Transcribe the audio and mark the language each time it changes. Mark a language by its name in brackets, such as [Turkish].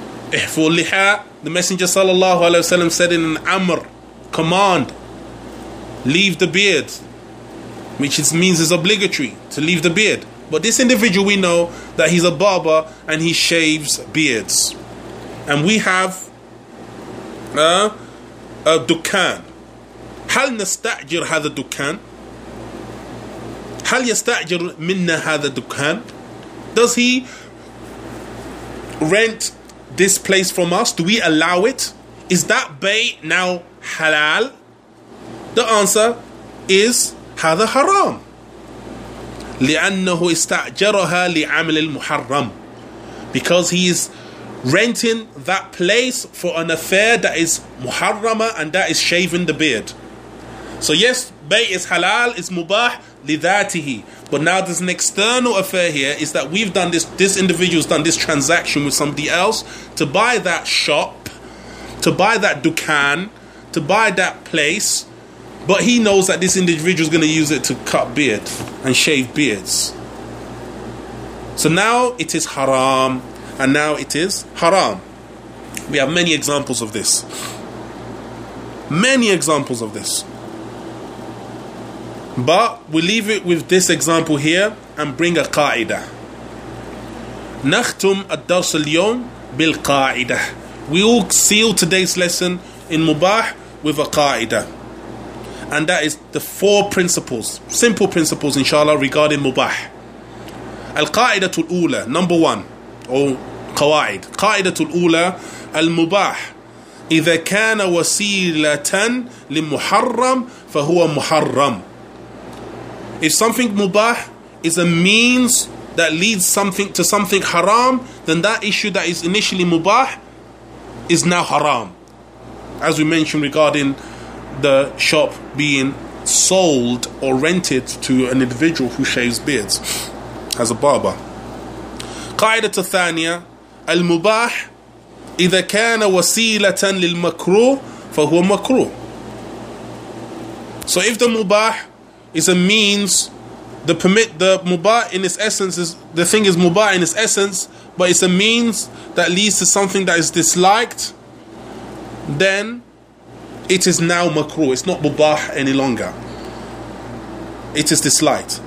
[English] Ihfu liha, the Messenger sallallahu alaihi wasallam said in an amr, command, leave the beard, which is, means it's obligatory to leave the beard. But this individual, we know that he's a barber and he shaves beards. And we have a dukan. [Arabic] هل نستأجر هذا الدكان؟ هل يستأجر منا هذا الدكان؟ [English] Does he rent this place from us? Do we allow it? Is that bay now halal? The answer is [Arabic] هذا حرام. لأنه استأجرها لعمل المحرم. [English] Because he is renting that place for an affair that is محرمة, and that is shaving the beard. So yes, bay is halal, it's mubah, lidatihi. But now there's an external affair here, is that we've done this, this individual's done this transaction with somebody else to buy that shop, to buy that dukan, to buy that place, But he knows that this individual is going to use it to cut beard and shave beards. So now it is haram, and now it is haram. We have many examples of this. Many examples of this. But we leave it with this example here and bring a qa'idah. [Arabic] نختم الدرس اليوم بالقاعدة. [English] We all seal today's lesson in Mubah with a qa'idah. And that is the four principles, simple principles inshallah, regarding Mubah. [Arabic] Al-qa'idatu al-ula, [English] number one, or qawa'id. [Arabic] Qa'idatu al-ula, al-mubah. إذا كان وسيلة للمحرم فهو محرم. [English] If something mubah is a means that leads something to something haram, then that issue that is initially mubah is now haram. As we mentioned regarding the shop being sold or rented to an individual who shaves beards as a barber. [Arabic] قاعدة ثانية, المباح إذا كان وسيلة للمكروه فهو مكروه. [English] So if the mubah is a means, the mubah in its essence is, the thing is mubah in its essence, but it's a means that leads to something that is disliked, then it is now makruh. It's not mubah any longer. It is disliked.